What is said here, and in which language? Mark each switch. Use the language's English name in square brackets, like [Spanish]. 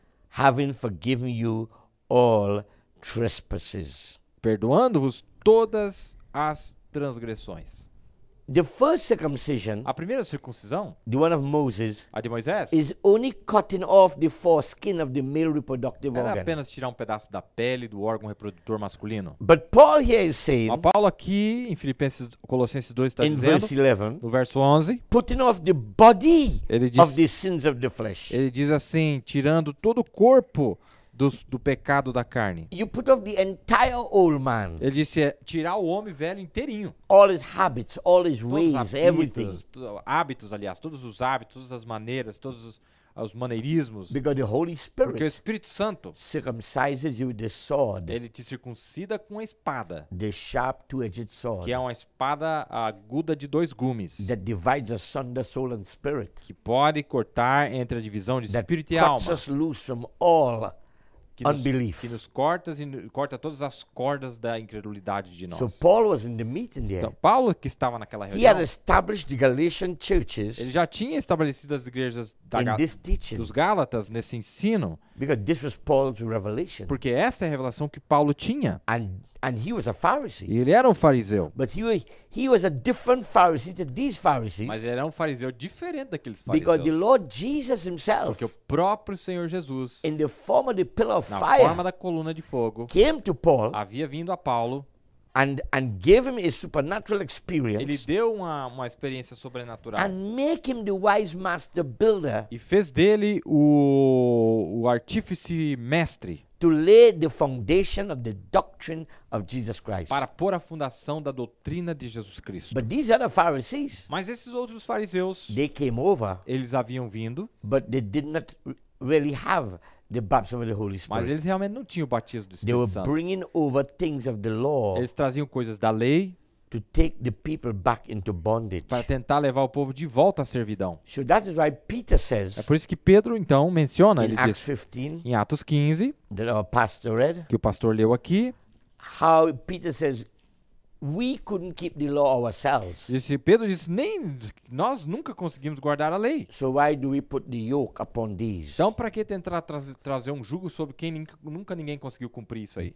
[English] having forgiven you all trespasses, [Portuguese] perdoando-vos todas as transgressões. [English] The first circumcision, [Portuguese] a primeira circuncisão, [English] the one of Moses, [Portuguese] a de Moisés, [English] is only cutting off the foreskin of the male reproductive organ. [Portuguese] Era apenas tirar um pedaço da pele do órgão reprodutor masculino. [English] But Paul here is saying, [Portuguese] mas Paulo aqui em Filipenses, Colossenses 2 está [English] in [Portuguese] dizendo, [English] verse 11, [Portuguese] no verso 11, [English] putting off the body of the sins of the flesh. [Portuguese] Ele diz assim, tirando todo o corpo do pecado da carne. [English] You put off the entire old man. [Portuguese] Ele disse, tirar o homem velho inteirinho. [English] All his habits, all his ways, [Portuguese] hábitos, [English] everything. [Portuguese] Hábitos, aliás, todos os hábitos, todas as maneiras, todos os maneirismos. [English] Because the Holy Spirit, [Portuguese] porque o Espírito Santo [English] circumcises you with the sword. [Portuguese] Ele te circuncida com a espada. [English] The sharp two-edged sword. [Portuguese] Que é uma espada aguda de dois gumes. [English] That divides asunder soul and spirit. [Portuguese] Que pode cortar entre a divisão de espírito e alma. [English] That cuts us loose from all unbelief. [Portuguese] Que nos corta todas as cordas da incredulidade de nós. [English] So Paul was in the meeting there. [Portuguese] Então, Paulo que estava naquela reunião. [English] He had established the Galatian churches. [Portuguese] Ele já tinha estabelecido as igrejas dos Gálatas nesse ensino. [English] Because this was Paul's revelation. [Portuguese] Porque essa é a revelação que Paulo tinha. [English] And he was a Pharisee. [Portuguese] E ele era um fariseu. [English] But he was a different Pharisee to these Pharisees. [Portuguese] Mas ele era um fariseu diferente daqueles fariseus. [English] Because the Lord Jesus himself. [Portuguese] Porque o próprio Senhor Jesus. [English] In the form of the pillar of [Portuguese] na [English] fire. [Portuguese] Na forma da coluna de fogo. [English] Came to Paul. [Portuguese] Havia vindo a Paulo. [English] and gave him a supernatural experience. [Portuguese] Ele deu uma experiência sobrenatural. [English] And make him the wise master builder. [Portuguese] E fez dele o artífice mestre. [English] To lay the foundation of the doctrine of Jesus Christ. [Portuguese] Para pôr a fundação da doutrina de Jesus Cristo. [English] But these other Pharisees, [Portuguese] mas esses outros fariseus, [English] they came over, [Portuguese] eles haviam vindo, [English] but they did not really have the baptism of the Holy Spirit. [Portuguese] Mas eles realmente não tinham o batismo do Espírito Santo. [English] They were bringing over things of the law. [Portuguese] Eles traziam coisas da lei. [English] To take the people back into bondage. [Portuguese] Para tentar levar o povo de volta à servidão. [English] So that is why Peter says, [Portuguese] é por isso que Pedro, então, menciona, [English] in [Portuguese] ele [English] Acts [Portuguese] diz, [English] 15, [Portuguese] em Atos 15, [English] that our pastor read, [Portuguese] que o pastor leu aqui, [English] how Peter says, we couldn't keep the law ourselves. [Portuguese] Disse, Pedro disse, nem nós nunca conseguimos guardar a lei. [English] So why do we put the yoke upon these? [Portuguese] Então, para que tentar trazer um jugo sobre quem nunca ninguém conseguiu cumprir isso aí?